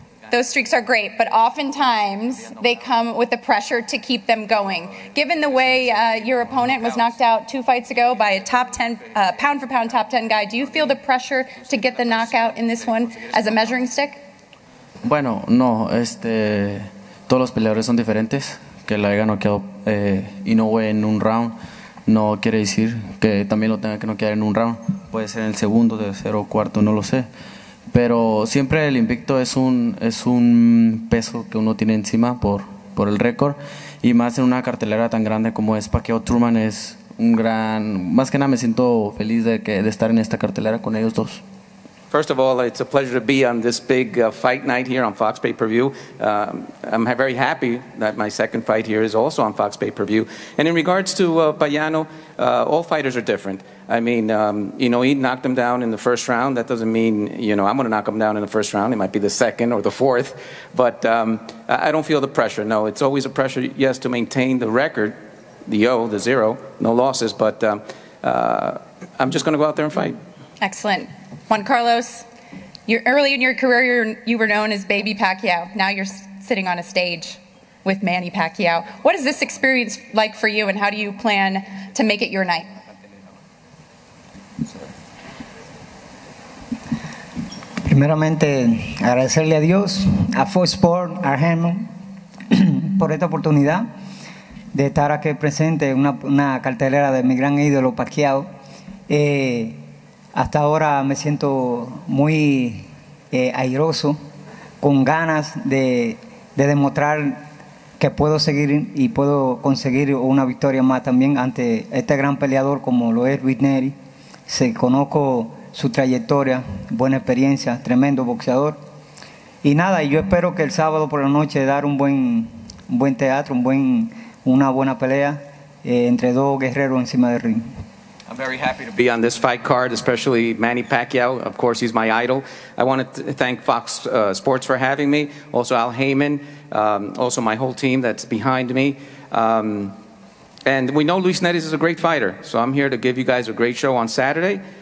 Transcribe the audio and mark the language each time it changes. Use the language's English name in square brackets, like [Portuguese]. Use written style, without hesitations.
[English] Those streaks are great, but oftentimes they come with the pressure to keep them going. Given the way your opponent was knocked out two fights ago by a top 10, pound for pound top 10 guy, do you feel the pressure to get the knockout in this one as a measuring stick? [Spanish] Bueno, no. Todos los peleadores son diferentes. Que la haya noqueado Inoue en un round no quiere decir que también lo tenga que noquear en un round. Puede ser en el segundo, tercero, cuarto, no lo sé. Pero siempre el invicto es un peso que uno tiene encima por el récord y más en una cartelera tan grande como es Pacquiao Thurman es un gran más que nada me siento feliz de estar en esta cartelera con ellos dos. [English] First of all, it's a pleasure to be on this big fight night here on Fox Pay-Per-View. I'm very happy that my second fight here is also on Fox Pay-Per-View. And in regards to Payano, all fighters are different. I mean, he knocked him down in the first round. That doesn't mean, I'm going to knock him down in the first round. It might be the second or the fourth. But I don't feel the pressure. No, it's always a pressure, yes, to maintain the record, the zero, no losses. But I'm just going to go out there and fight. Excellent. Juan Carlos, you're early in your career, you were known as Baby Pacquiao. Now you're sitting on a stage with Manny Pacquiao. What is this experience like for you, and how do you plan to make it your night? [Spanish] Primeramente, agradecerle a Dios, a Fox Sports, a Herman, por esta oportunidad de estar aquí presente en una cartelera de mi gran ídolo Pacquiao. Hasta ahora me siento muy airoso, con ganas de demostrar que puedo seguir y puedo conseguir una victoria más también ante este gran peleador como lo es Luis Neri. Se conozco su trayectoria, buena experiencia, tremendo boxeador. Y nada, yo espero que el sábado por la noche dar un buen teatro, una buena pelea entre dos guerreros encima del ring. [English] I'm very happy to be on this fight card, especially Manny Pacquiao. Of course, he's my idol. I want to thank Fox Sports for having me. Also, Al Haymon. Also, my whole team that's behind me. And we know Luis Neres is a great fighter. So I'm here to give you guys a great show on Saturday.